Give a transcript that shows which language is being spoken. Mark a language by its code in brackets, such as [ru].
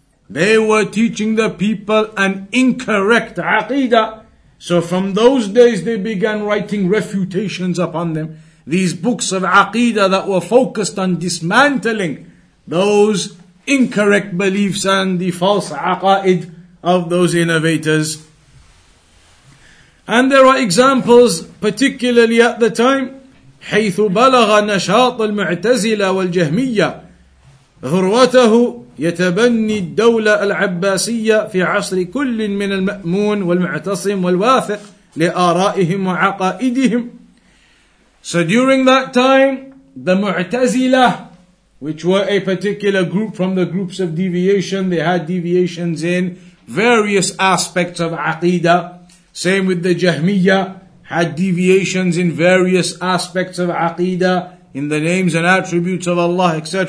[en] They were teaching the people an incorrect Aqidah. So from those days they began writing refutations upon them. These books of Aqidah that were focused on dismantling those incorrect beliefs and the false aqaid of those innovators. And there are examples, particularly at the time, [ar] حيث بلغ نشاط المعتزلة والجهمية ذروته يتبني الدولة العباسية في عصر كل من المأمون والمعتصم والواثق لآرائهم وعقائدهم. [en] So during that time, the معتزلة, which were a particular group from the groups of deviation, they had deviations in various aspects of Aqidah. Same with the Jahmiyyah, had deviations in various aspects of Aqidah, in the names and attributes of Allah, etc.